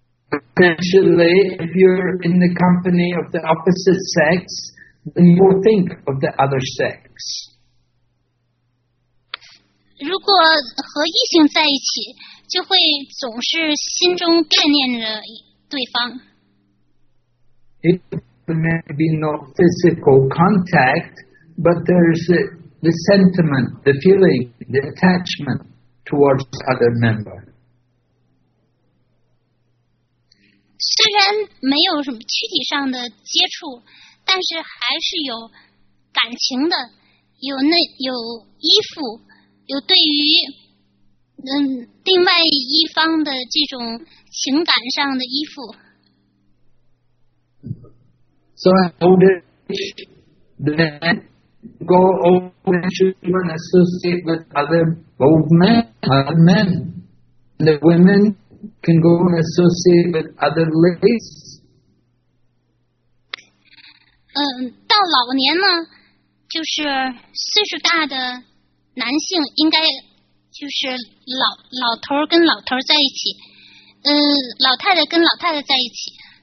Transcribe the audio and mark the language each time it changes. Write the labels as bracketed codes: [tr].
[en] Potentially, if you're in the company of the opposite sex, then you will think of the other sex. [zh] 如果和异性在一起，就会总是心中惦念着对方。 [en] It may be not physical contact, but there's the sentiment, the feeling, the attachment towards other member. [zh] 虽然没有什么躯体上的接触，但是还是有感情的，有那有依附，有对于另外一方的这种情感上的依附。 [en] So at old age, then go old and children associate with other old men, other men. The women can go and associate with other ladies. [zh] 到老年呢，就是岁数大的男性应该就是老头跟老头在一起，老太太跟老太太在一起。